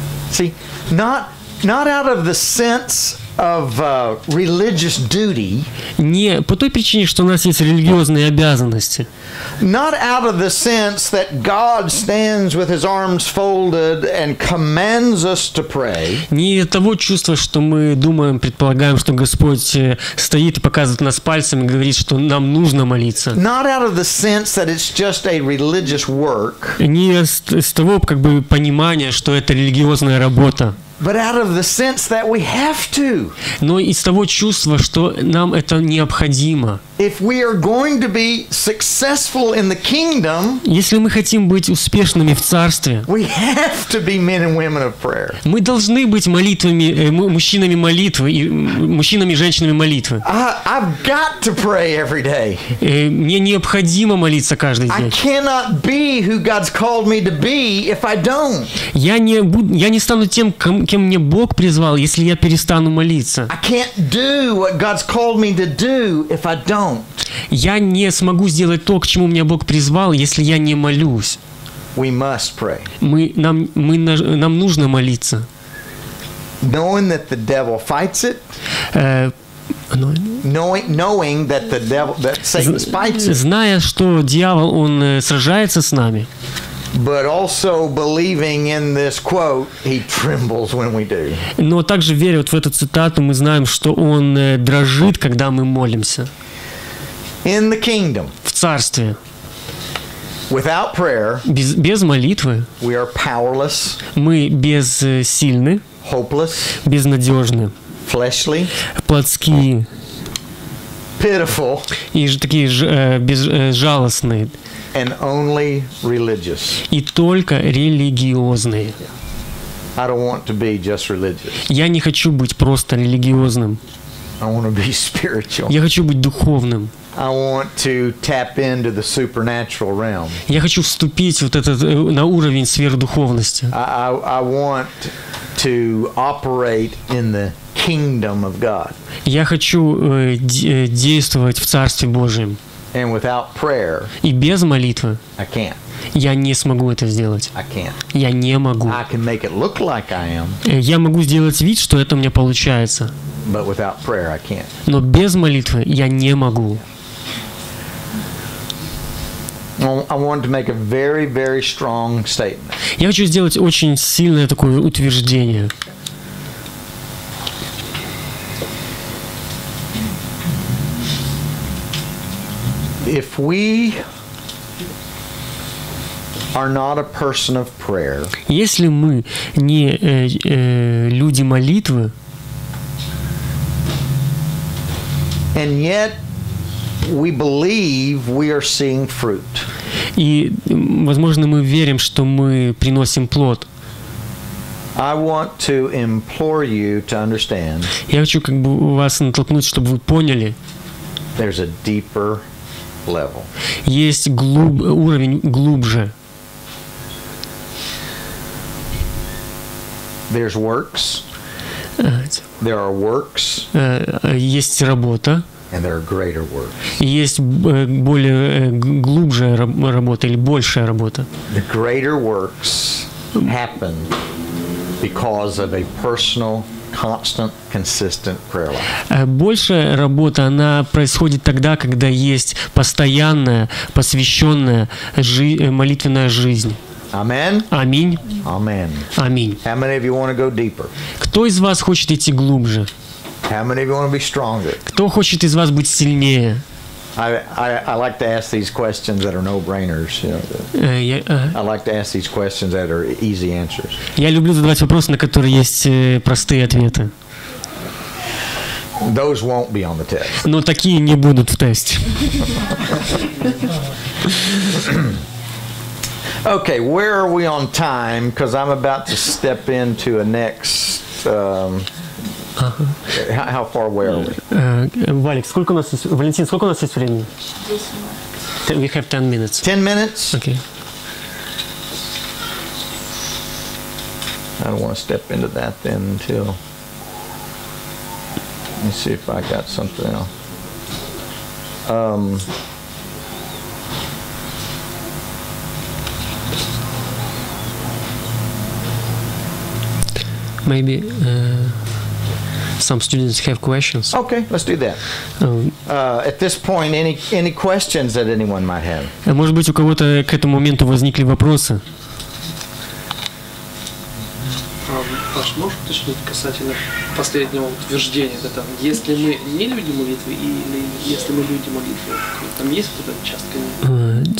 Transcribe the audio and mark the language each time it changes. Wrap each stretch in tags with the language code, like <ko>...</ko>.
<en>See, not out of the sense of religious duty.</en> <ru>Не по той причине, что у нас есть религиозные обязанности.</ru> <en>Not out of the sense that God stands with His arms folded and commands us to pray.</en> <ru>Не того чувства, что мы думаем, предполагаем, что Господь стоит и показывает нас пальцем и говорит, что нам нужно молиться.</ru> <en>Not out of the sense that it's just a religious work.</en> <ru>Не с того, как бы, понимания, что это религиозная работа.</ru> <en>But out of the sense that we have to.</en> <ru>Но из того чувства, что нам это необходимо.</ru> <en>If we are going to be successful in the kingdom,</en> <ru>если мы хотим быть успешными в царстве,</ru> <en>we have to be men and women of prayer.</en> <ru>Мы должны быть молитвами, мужчинами молитвы и мужчинами и женщинами молитвы.</ru> <en>I've got to pray every day.</en> <ru>Мне необходимо молиться каждый день.</ru> <en>I cannot be who God's called me to be if I don't.</en> <ru>Я не стану тем, кем мне Бог призвал, если я перестану молиться.</ru> <en>I can't do what God's called me to do if I don't.</en> <ru>Я не смогу сделать то, к чему меня Бог призвал, если я не молюсь.</ru> <en>We must pray.</en> <ru>Нам нужно молиться.</ru> <en>Knowing that the devil fights it. Knowing that the devil, that Satan fights it.</en> <ru>Зная, что дьявол, он сражается с нами.</ru> <en>But also believing in this quote, he trembles when we do.</en> <ru>Но также веря вот в эту цитату, мы знаем, что он дрожит, когда мы молимся.</ru> <en>In the kingdom,</en> <ru>в царстве,</ru> <en>without prayer,</en> <ru>без молитвы,</ru> <en>we are powerless,</en> <ru>мы бессильны,</ru> <en>hopeless,</en> <ru>безнадежны,</ru> <en>fleshly,</en> <ru>плотские,</ru> <en>pitiful,</en> <ru>и же такие безжалостные,</ru> <en>and only religious,</en> <ru>и только религиозные.</ru> <en>I don't want to be just religious.</en> <ru>Я не хочу быть просто религиозным.</ru> <en>I want to be spiritual.</en> <ru>Я хочу быть духовным.</ru> <en>I want to tap into the supernatural realm.</en> <ru>Я хочу вступить вот этот на уровень сверхдуховности.</ru> <en>I want to operate in the kingdom of God.</en> <ru>Я хочу действовать в Царстве Божьем.</ru> <en>And without prayer.</en> <ru>И без молитвы.</ru> <en>I can't.</en> <ru>Я не смогу это сделать.</ru> <en>I can't.</en> <ru>Я не могу.</ru> <en>I can make it look like I am.</en> <ru>Я могу сделать вид, что это у меня получается.</ru> <en>But without prayer, I can't.</en> <ru>Но без молитвы я не могу.</ru> <en>I want to make a very, very strong statement.</en> <ru>Я хочу сделать очень сильное такое утверждение.</ru> <en>If we are not a person of prayer,</en> <ru>если мы не люди молитвы,</ru> <en>and yet we believe we are seeing fruit.</en> <ru>И, возможно, мы верим, что мы приносим плод.</ru> <en>I want to implore you to understand.</en> <ru>Я хочу, как бы, вас натолкнуть, чтобы вы поняли.</ru> <en>There's a deeper level.</en> <ru>Есть уровень глубже.</ru> <en>There's works. There are works.</en> <ru>Есть работа.</ru> <en>And there are greater works.</en> <ru>Есть более глубже работа или большая работа.</ru> <en>The greater works happen because of a personal, constant, consistent prayer life.</en> <ru>Большая работа, она происходит тогда, когда есть постоянная, посвященная молитвенная жизнь.</ru> <en>Amen.</en> <ru>Аминь.</ru> <en>Amen.</en> <ru>Аминь.</ru> <en>How many of you want to go deeper?</en> <ru>Кто из вас хочет идти глубже?</ru> <en>How many of you want to be stronger?</en> <ru>Кто хочет из вас быть сильнее?</ru> <en>I like to ask these questions that are no-brainers. I like to ask these questions that are easy answers.</en> <ru>Я люблю задавать вопросы, на которые есть простые ответы.</ru> <en>Those won't be on the test.</en> <ru>Но такие не будут в тесте.</ru> <en>Okay, where are we on time? Because I'm about to step into a next. How far away are we?</en> <ru>Валик, сколько у нас есть? Валентин, сколько у нас есть времени?</ru> <en>We have 10 minutes. 10 minutes? Okay. I don't want to step into that then until. Let me see if I got something else. Maybe some students have questions. Okay, let's do that. At this point, any questions that anyone might have?</en> <ru>Может быть, у кого-то к этому моменту возникли вопросы? Паш, можешь уточнить касательно последнего утверждения, да, там, если мы не люди молитвы или если мы люди молитвы, там есть какая-то участка?</ru>